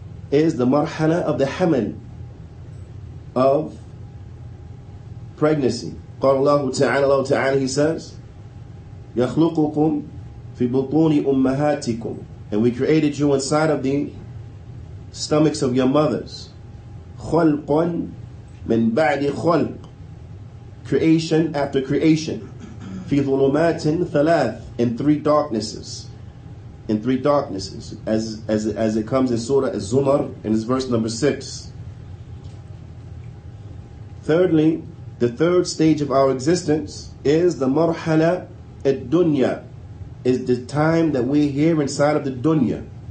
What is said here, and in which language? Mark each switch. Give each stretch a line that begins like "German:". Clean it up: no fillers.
English: Is the marhala of the hamal, of pregnancy.
Arabic: قال الله تعالى, الله تعالى,
English: He says,
Arabic: يَخْلُقُكُمْ فِي بُطُونِ أُمَّهَاتِكُمْ,
English: and we created you inside of the stomachs of your mothers.
Arabic: خَلْقٌ مِنْ بَعْدِ خَلْقٍ,
English: creation after creation.
Arabic: فِي ظُلُمَاتٍ ثَلَاثٍ,
English: in three darknesses. In three darknesses, as it comes in Surah Az-Zumar, and it's verse number 6. Thirdly, the third stage of our existence is the marhala ad-dunya, is the time that we're here inside of the dunya.